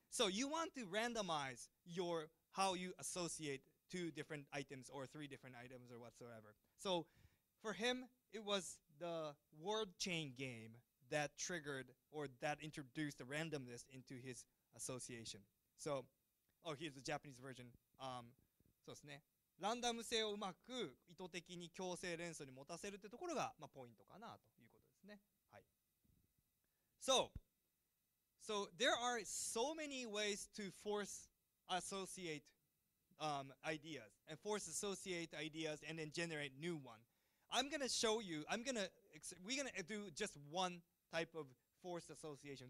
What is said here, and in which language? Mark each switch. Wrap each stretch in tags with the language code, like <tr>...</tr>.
<en>So you want to randomize your how you associate two different items or three different items or whatsoever. So for him, it was the word chain game that triggered or that introduced the randomness into his association. So, oh, here's the Japanese version. そうですね。</en> <ja>ランダム性をうまく意図的に強制連想に持たせるってところが、まあ、ポイントかなということですね。はい。</ja> <en>So there are so many ways to force associate ideas and force associate ideas and then generate new one. I'm going to show you, we're going to do just one type of forced association.</en>